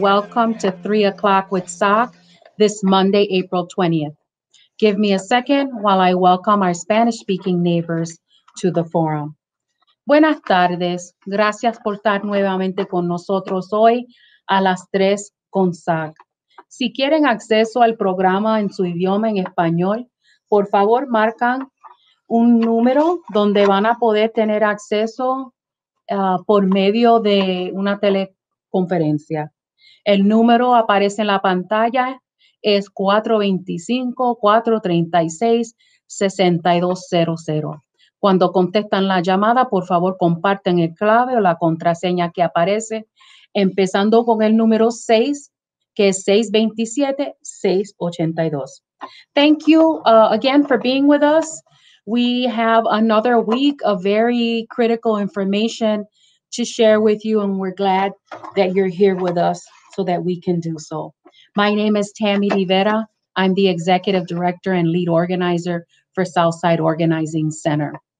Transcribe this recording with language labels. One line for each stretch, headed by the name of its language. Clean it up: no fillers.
English: Welcome to 3 o'clock with Sock this Monday, April 20th. Give me a second while I welcome our Spanish-speaking neighbors to the forum.
Spanish: Buenas tardes. Gracias por estar nuevamente con nosotros hoy a las tres con Sock. Si quieren acceso al programa en su idioma en español, por favor marcan un número donde van a poder tener acceso por medio de una teleconferencia. El número aparece en la pantalla, es 425-436-6200. Cuando contestan la llamada, por favor, comparten el clave o la contraseña que aparece, empezando con el número 6, que es 627-682.
English: Thank you again for being with us. We have another week of very critical information to share with you, and we're glad that you're here with us so that we can do so. My name is Tammy Rivera. I'm the executive director and lead organizer for Southside Organizing Center.